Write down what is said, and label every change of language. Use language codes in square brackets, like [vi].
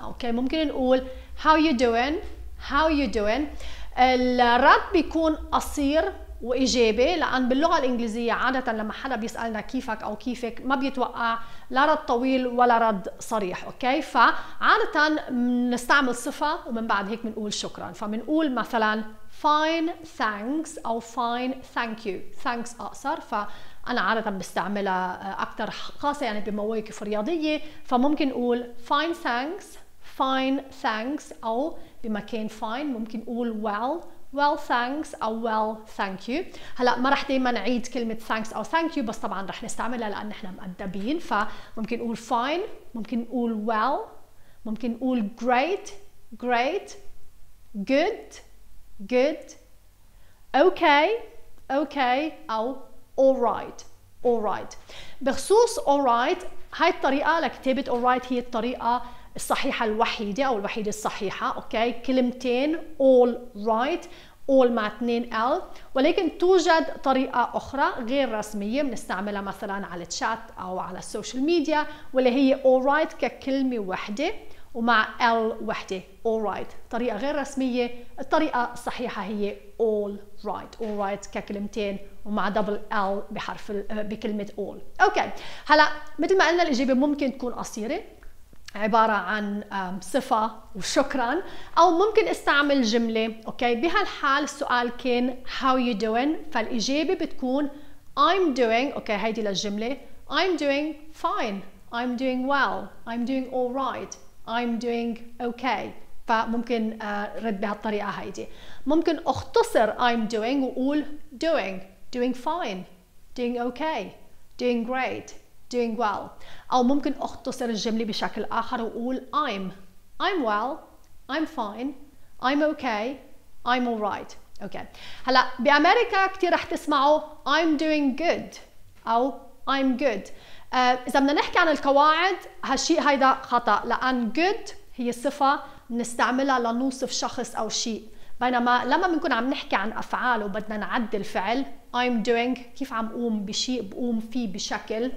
[ar] أوكي، ممكن نقول [en] How you doing؟ How you doing؟ [ar] الرد بيكون قصير وإجابة، لأن باللغة الإنجليزية عادة لما حدا بيسألنا كيفك أو كيفك ما بيتوقع لا رد طويل ولا رد صريح. أوكي، فعادة نستعمل صفة ومن بعد هيك منقول شكرا. فمنقول مثلا [en] fine thanks [ar] أو [en] fine thank you. [ar] thanks أقصر، فأنا عادة بستعملها أكتر خاصة يعني بمواقف رياضية. فممكن نقول [en] fine thanks، fine thanks، [ar] أو بمكان fine ممكن نقول [en] well، well thanks [ar] أو [en] well thank you. [ar] هلأ ما رح دايما نعيد كلمة thanks أو thank you، بس طبعا رح نستعملها لأن نحن مؤدبين. فممكن نقول fine، ممكن نقول well، ممكن نقول great، great، good، good، okay، okay، أو alright، alright. بخصوص alright، هاي الطريقة لكتابة alright هي الطريقة الصحيحة الوحيدة أو الوحيدة الصحيحة. أوكي، كلمتين alright، all مع 2L. ولكن توجد طريقة أخرى غير رسمية بنستعملها مثلا على الشات أو على السوشيال ميديا، واللي هي alright ككلمة واحدة ومع L واحدة، alright. طريقة غير رسمية، الطريقة الصحيحة هي alright، alright ككلمتين ومع double L بحرف بكلمة all. أوكي، هلا مثل ما قلنا الإجابة ممكن تكون قصيرة عبارة عن صفة وشكرا، أو ممكن استعمل جملة. أوكي، بهالحال السؤال كان [en] how you doing، [ar] فالإجابة بتكون [en] I'm doing. [ar] أوكي، هيدي للجملة [en] I'm doing fine، I'm doing well، I'm doing alright، I'm doing okay. [ar] فممكن رد بهالطريقة هيدي. ممكن اختصر [en] I'm doing [ar] وقول doing، [en] doing fine، doing okay، doing great، doing well. [ar] أو ممكن أختصر الجملة بشكل آخر وأقول [en] I'm well، I'm fine، I'm okay، I'm alright. okay. [ar] هلا بأمريكا كتير رح تسمعوا [en] I'm doing good [ar] أو [en] I'm good. [ar] إذا بدنا نحكي عن القواعد هالشيء هيدا خطأ، لأن good هي صفة نستعملها لنوصف شخص أو شيء، بينما لما بنكون عم نحكي عن أفعال وبدنا نعد الفعل [en] I'm doing [ar] كيف عم قوم بشيء بقوم فيه بشكل.